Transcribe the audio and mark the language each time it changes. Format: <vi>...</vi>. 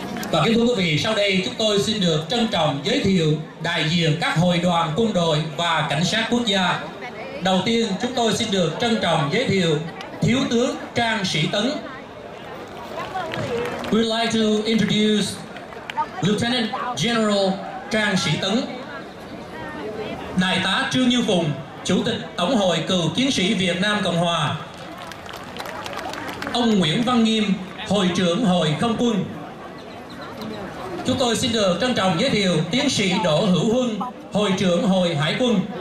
<vi>Và kính thưa quý vị, sau đây chúng tôi xin được trân trọng giới thiệu đại diện các hội đoàn quân đội và cảnh sát quốc gia. Đầu tiên chúng tôi xin được trân trọng giới thiệu Thiếu tướng Trang Sĩ Tấn.</vi> <en>We'd like to introduce Lieutenant General Trang Sĩ Tấn.</en> <vi>Đại tá Trương Như Phùng, Chủ tịch Tổng hội Cựu chiến sĩ Việt Nam Cộng hòa. Ông Nguyễn Văn Nghiêm, Hội trưởng Hội Không quân. Chúng tôi xin được trân trọng giới thiệu Tiến sĩ Đỗ Hữu Huân, Hội trưởng Hội Hải quân.</vi>